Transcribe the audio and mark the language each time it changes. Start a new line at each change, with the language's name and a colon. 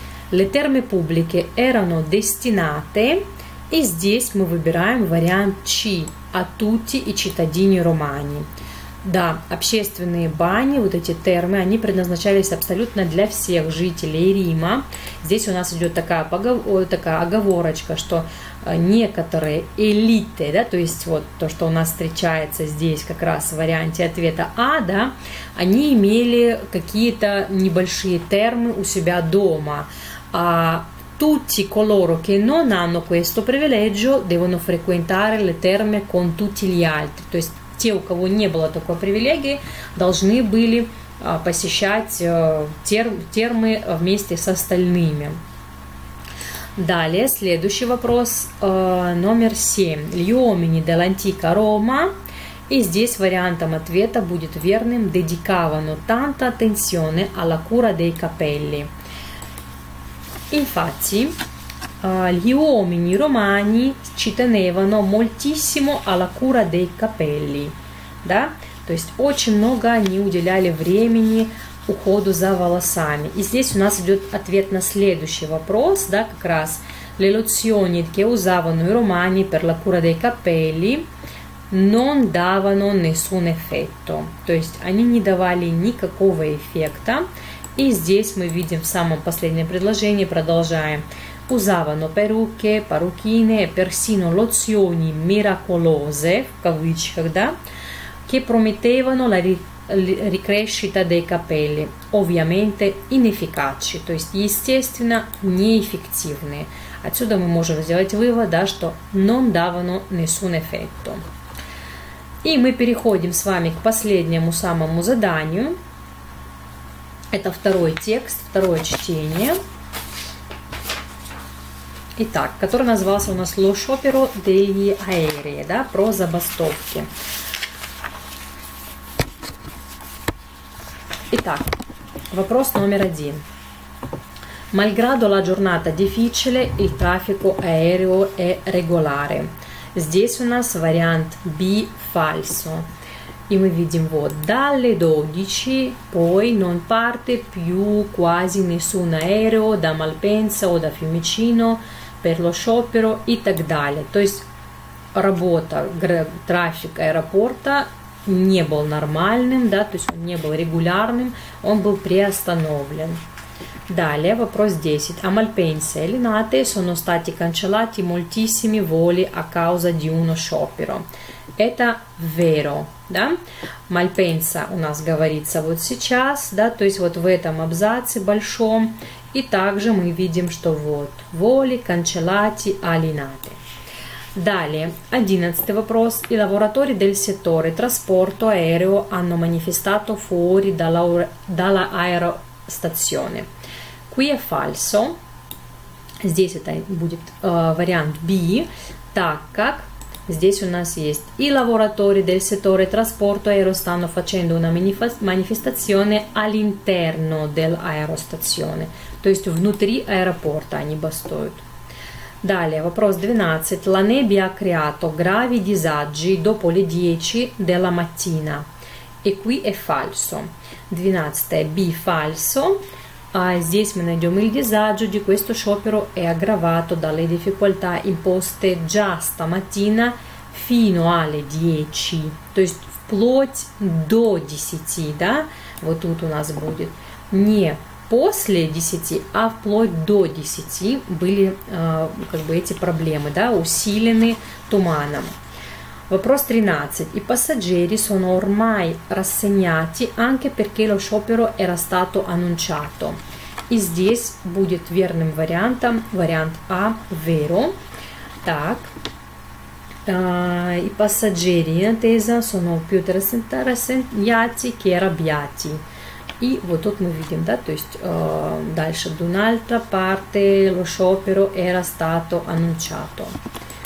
Italian: Le terme pubbliche erano destinate,
Russian: и здесь мы выбираем вариант C,
Italian: a tutti i cittadini romani.
Russian: Да, общественные бани, вот эти термы, они предназначались абсолютно для всех жителей Рима. Здесь у нас идет такая оговорочка, что некоторые элиты, да, то есть вот то, что у нас встречается здесь как раз в варианте ответа А, да, они имели какие-то небольшие термы у себя дома.
Italian: А tutti coloro che non hanno questo privilegio devono frequentare le terme con tutti gli altri.
Russian: То есть те, у кого не было такой привилегии, должны были посещать термы вместе с остальными. Далее, следующий вопрос, номер 7.
Italian: Gli uomini dell'antica Roma.
Russian: И здесь вариантом ответа будет верным.
Italian: Dedicavano tanta attenzione alla cura dei capelli. Infatti, gli uomini romani ci tenevano moltissimo alla cura dei capelli.
Russian: Да? То есть очень много они уделяли времени уходу за волосами. И здесь у нас идет ответ на следующий вопрос, да, как раз.
Italian: Le lozioni che usavano i romani per la cura dei capelli non davano nessun effetto.
Russian: То есть они не давали никакого эффекта. И здесь мы видим в самом последнем предложении, продолжаем.
Italian: Usavano perucche, parrucchine, persino lozioni miracolose,
Russian: в кавычках, да,
Italian: che promettevano la ricrescita dei capelli, ovviamente inefficaci,
Russian: то есть, естественно, неэффективные. Отсюда мы можем сделать вывод, да, что
Italian: non davano nessun effetto.
Russian: И мы переходим с вами к последнему самому заданию. Это второй текст, второе чтение. Итак, который назывался у нас
Italian: «Lo sciopero degli aerei»,
Russian: да, про забастовки. Итак, вопрос номер один.
Italian: Malgrado la giornata difficile, il traffico aereo è regolare.
Russian: Здесь у нас вариант B falso. И мы видим вот,
Italian: dalle 12 poi non parte più quasi nessun aereo da Malpensa o da Fiumicino per lo sciopero
Russian: и так далее. То есть работа, трафик аэропорта не был нормальным, да, то есть он не был регулярным, он был приостановлен. Далее, вопрос 10.
Italian: A Malpensa e Linate sono stati cancellati moltissimi voli a causa di uno sciopero.
Russian: это vero, да? Malpensa у нас говорится вот сейчас, да, то есть вот в этом абзаце большом. И также мы видим, что вот
Italian: voli, cancellati, alienati.
Russian: Далее, 11 вопрос.
Italian: I lavoratori del settore trasporto aereo hanno manifestato fuori dalla aerostazione. Qui è falso.
Russian: Здесь это будет вариант B, так как здесь у нас есть
Italian: I lavoratori del settore trasporto aereo stanno facendo una manifestazione all'interno dell'aerostazione.
Russian: То есть внутри аэропорта они бастуют. Далее, вопрос 12.
Italian: La nebbia ha creato gravi disagi dopo le 10 della mattina. E qui è falso. 12. B falso.
Russian: Здесь мы найдем
Italian: il disagio di questo sciopero è aggravato dalle difficoltà imposte già stamattina fino alle 10.
Russian: То есть вплоть до 10, да? Вот тут у нас будет. Не после 10, а вплоть до 10 были как бы эти проблемы, да, усилены туманом. Вопрос 13.
Italian: I passaggeri sono ormai rassegnati anche perché lo sciopero era stato annunciato.
Russian: И здесь будет верным вариантом вариант А, vero. Так.
Italian: I passaggeri in attesa sono più rassegnati che arrabbiati.
Russian: И вот тут мы видим, да, то есть дальше
Italian: d'un'altra parte lo sciopero era stato annunciato.